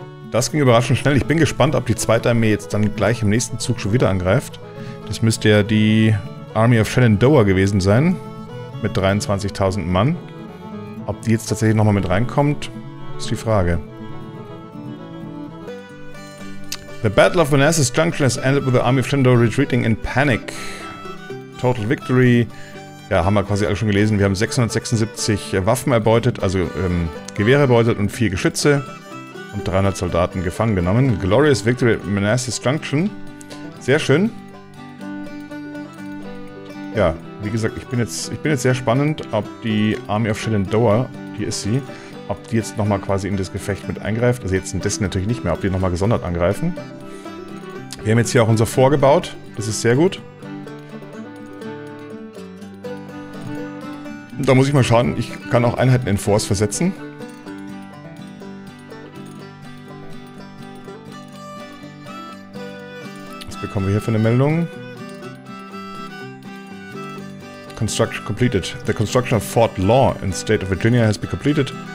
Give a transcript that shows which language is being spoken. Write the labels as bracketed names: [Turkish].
[German] Das ging überraschend schnell. Ich bin gespannt, ob die zweite Armee jetzt dann gleich im nächsten Zug schon wieder angreift. Das müsste ja die Army of Shenandoah gewesen sein. Mit 23.000 Mann. Ob die jetzt tatsächlich nochmal mit reinkommt, ist die Frage. [English] The Battle of Manassas Junction has ended with the Army of Shenandoah retreating in panic. Total victory. [German] Ja, haben wir quasi alle schon gelesen. Wir haben 676 Waffen erbeutet, also Gewehre erbeutet und 4 Geschütze und 300 Soldaten gefangen genommen. [English] Glorious victory at Manassas Junction. [German] Sehr schön. Ja, wie gesagt, ich bin jetzt sehr spannend, ob die Army of Shenandoah, hier ist sie, ob die jetzt nochmal quasi in das Gefecht mit eingreift. Also jetzt in dessen natürlich nicht mehr, ob die nochmal gesondert angreifen. Wir haben jetzt hier auch unser Fort gebaut. Das ist sehr gut. Da muss ich mal schauen, ich kann auch Einheiten in Force versetzen. Was bekommen wir hier für eine Meldung? [English] Construction completed. The construction of Fort Law in State of Virginia has been completed.